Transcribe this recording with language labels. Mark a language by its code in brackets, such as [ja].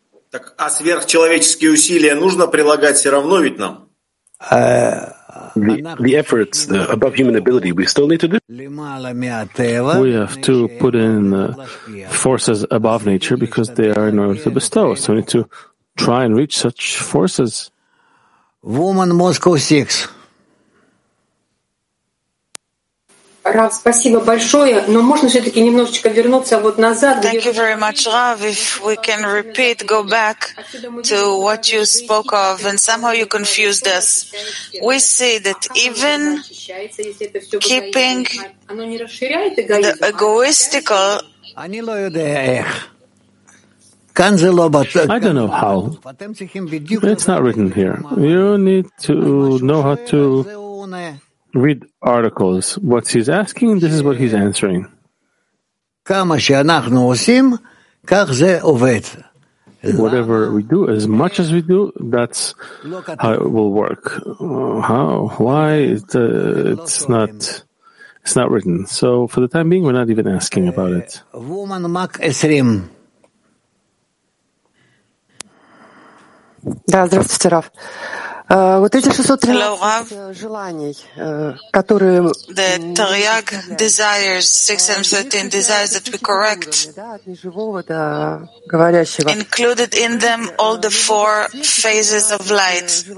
[ru] Так, а сверхчеловеческие усилия нужно прилагать все равно ведь нам? [en] The efforts, the above human ability, we still need to do. We have to put in forces above nature because they are in order to bestow. So we need to try and reach such forces. Woman Moscow 6. [ru] Рав, спасибо большое, но можно все-таки немножечко вернуться вот назад. [en] Thank you very much, Rav. If we can repeat, go back to what you spoke of, and somehow you confused us. We see that even keeping the egoistical. I don't know how. It's not written here. You need to know how to read articles. What he's asking, this is what he's answering. Whatever we do, as much as we do, that's how it will work. How? Why? It's not written. So for the time being, we're not even asking about it. Woman Mac 20. [ru] Да, здравствуйте, Раф. Вот эти 613 желаний, которые... [en] The Taryag desires, 613 desires that we correct, included in them all the four phases of light.